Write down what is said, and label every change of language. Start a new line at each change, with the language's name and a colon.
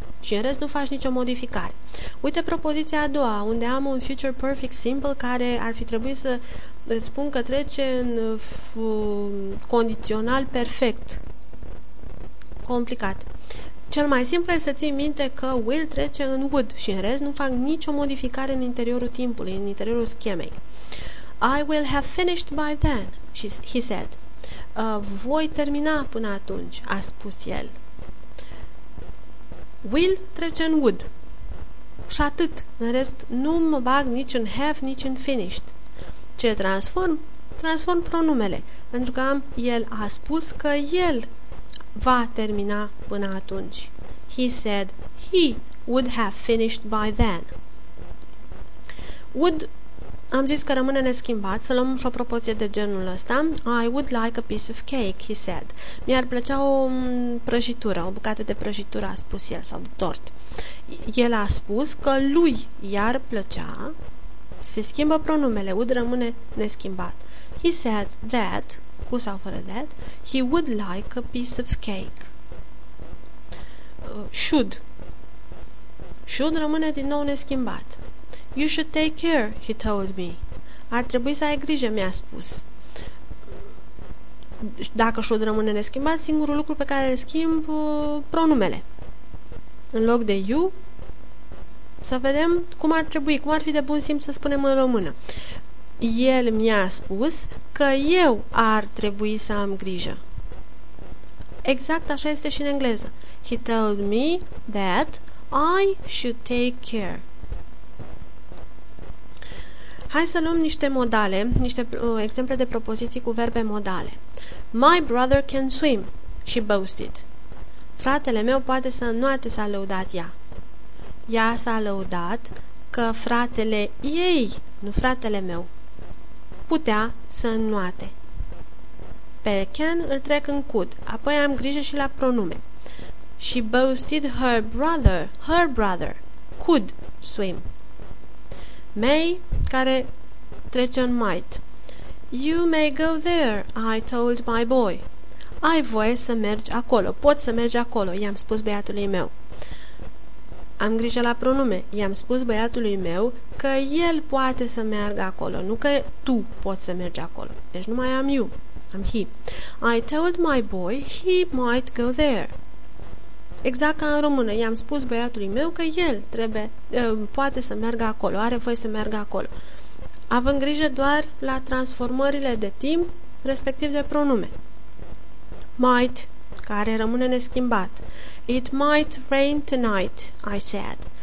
Romanian: Și în rest nu faci nicio modificare. Uite propoziția a doua, unde am un future perfect simple care ar fi trebuit să îți spun că trece în condițional perfect. Complicat. Cel mai simplu este să ții minte că will trece în would și în rest nu fac nicio modificare în interiorul timpului, în interiorul schemei.
English: I will have finished by then, he said.
Romanian: Voi termina până atunci, a spus el. Will trece în would. Și atât. În rest, nu mă bag nici în have, nici în finished. Ce transform? Transform pronumele. Pentru că el a spus că el va termina până atunci.
English: He said he would have finished by then.
Romanian: Would, am zis că rămâne neschimbat, să luăm și o propoziție de genul ăsta.
English: I would like a piece of cake, he said.
Romanian: Mi-ar plăcea o prăjitură, o bucată de prăjitură, a spus el, sau de tort. El a spus că lui i-ar plăcea, se schimbă pronumele, would rămâne neschimbat.
English: He said that,
Romanian: cu sau fără
English: that, he would like a piece of cake. Should.
Romanian: Should rămâne din nou neschimbat.
English: You should take care, he told me.
Romanian: Ar trebui să ai grijă, mi-a spus. Dacă should rămâne neschimbat, singurul lucru pe care îl schimb, pronumele. În loc de you, să vedem cum ar trebui, cum ar fi de bun simț să spunem în română. El mi-a spus că eu ar trebui să am grijă. Exact așa este și în engleză.
English: He told me that I should take care.
Romanian: Hai să luăm niște modale, niște exemple de propoziții cu verbe modale.
English: My brother can swim, she boasted.
Romanian: Fratele meu poate să înoate, s-a lăudat ea. Ea s-a lăudat că fratele ei, nu fratele meu, putea să înoate. Pe can îl trec în could, apoi am grijă și la pronume.
English: She boasted her brother could swim.
Romanian: May, care trece în might.
English: You may go there, I told my boy.
Romanian: Ai voie să mergi acolo, poți să mergi acolo, i-am spus băiatului meu. Am grijă la pronume, i-am spus băiatului meu că el poate să meargă acolo, nu că tu poți să mergi acolo. Deci nu mai am you, am he.
English: I told my boy he might go there.
Romanian: Exact ca în română, i-am spus băiatului meu că el trebuie, poate să meargă acolo, are voie să meargă acolo. Având grijă doar la transformările de timp, respectiv de pronume.
English: Might,
Romanian: care rămâne neschimbat.
English: It might rain tonight, I said.